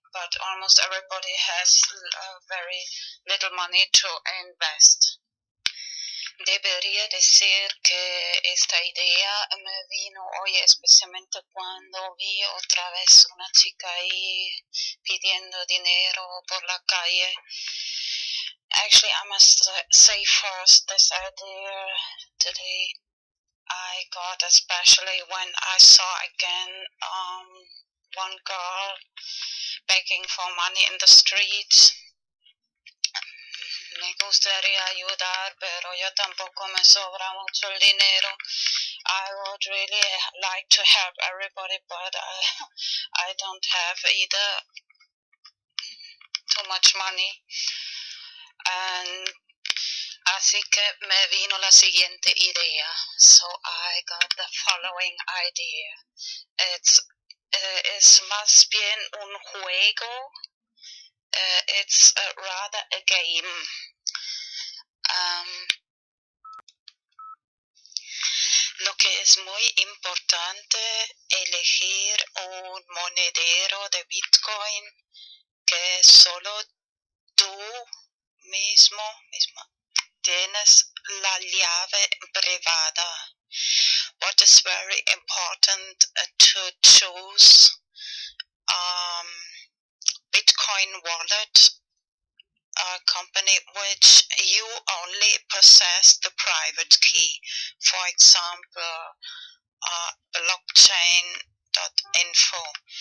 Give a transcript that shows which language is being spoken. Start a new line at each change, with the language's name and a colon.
English: But almost everybody has very little money to invest.
Spanish: Debería decir que esta idea me vino hoy especialmente cuando vi otra vez una chica ahí pidiendo dinero por la calle.
English: Actually, I must say first this idea today I got especially when I saw again one girl begging for money in the streets.
Spanish: Me gustaría ayudar, pero yo tampoco me sobra mucho el dinero.
English: I would really like to help everybody, but I don't have either too much money.
Spanish: And así que me vino la siguiente idea.
English: So I got the following idea. It's
Spanish: más bien un juego.
English: It's rather a game.
Spanish: Lo que es muy importante elegir un monedero de Bitcoin que solo tú mismo tienes la llave privada.
English: What is very important to choose Bitcoin wallet, a company which you only possess the private key, for example, blockchain.info.